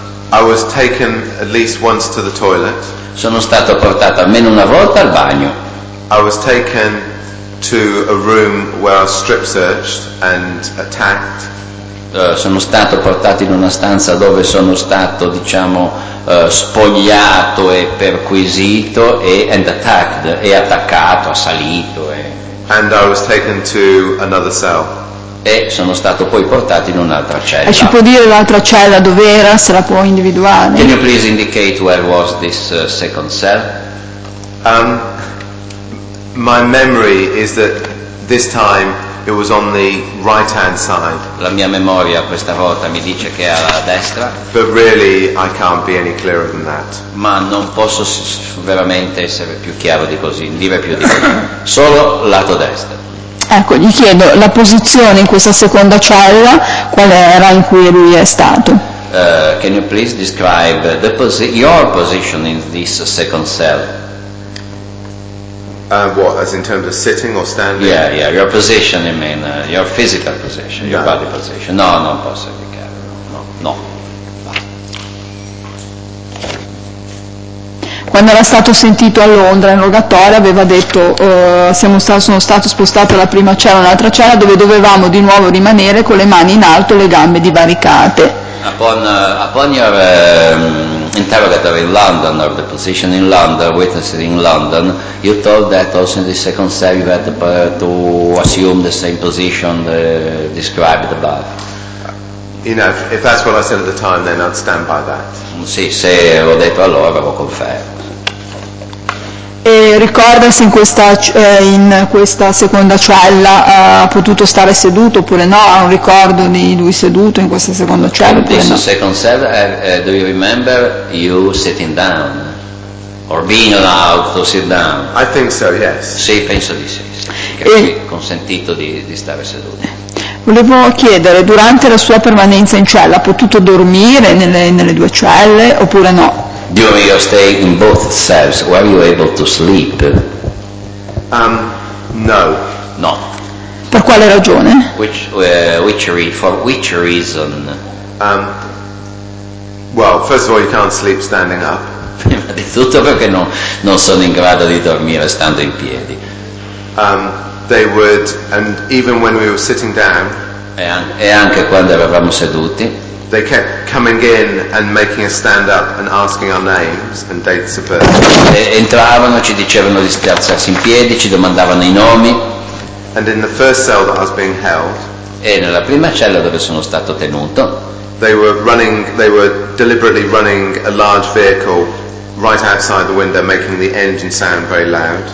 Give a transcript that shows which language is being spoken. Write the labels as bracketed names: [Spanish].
[English] I was taken at least once to the toilet. [Italian] Sono stato portato almeno una volta al bagno. [English] I was taken to a room where I was strip searched and attacked. [Italian] Sono stato portato in una stanza dove sono stato, diciamo, spogliato e perquisito assalito. [English] And I was taken to another cell. [Italian] E sono stato poi portato in un'altra cella. E ci può dire l'altra cella dove era, se la può individuare? [English] Can you please indicate where was this second cell? My memory is that this time it was on the right hand side. [Italian] La mia memoria questa volta mi dice che è alla destra. [English] But really I can't be any clearer than that. [Italian] Ma non posso veramente essere più chiaro di così, dire più di così. Solo lato destra. Ecco, gli chiedo la posizione in questa seconda cella, qual era in cui lui è stato? [English] Can you please describe the your position in this second cell? What, as in terms of sitting or standing? Yeah, your position, I mean, your physical position, your body position. [Italian] No, non posso indicare, no. Quando era stato sentito a Londra, in rogatorio, aveva detto, sono stato spostato dalla prima cella all'altra cella, dove dovevamo di nuovo rimanere con le mani in alto e le gambe divaricate. [English] Upon your interrogator in London, or the position in London, witnessing in London, you told that also in the second cell you had to assume the same position described above. You know, if that's what I said at the time, then I'd stand by that. [Italian] Sì, se l'ho detto allora, avevo confermo. E ricorda se in questa seconda cella ha potuto stare seduto oppure no? Ha un ricordo di lui seduto in questa seconda cella oppure [English] no? [Italian] In questa seconda cella, [English] do you remember you sitting down? Or being allowed to sit down? I think so, yes. [Italian] Sì, penso di sì. Che è consentito di stare seduto. Volevo chiedere, durante la sua permanenza in cella, ha potuto dormire nelle due celle oppure no? [English] During your stay in both cells, were you able to sleep? No. [Italian] No. Per quale ragione? [English] For which reason? First of all, you can't sleep standing up. [Italian] Prima di tutto perché non sono in grado di dormire stando in piedi. [English] They would, and even when we were sitting down. [Italian] E anche quando eravamo seduti. [English] They kept coming in and making us stand up and asking our names and dates of birth. [Italian] Entravano, ci dicevano di spiazzarsi in piedi, ci domandavano i nomi. [English] And in the first cell that I was being held. [Italian] E nella prima cella dove sono stato tenuto. [English] They were deliberately running a large vehicle right outside the window, making the engine sound very loud.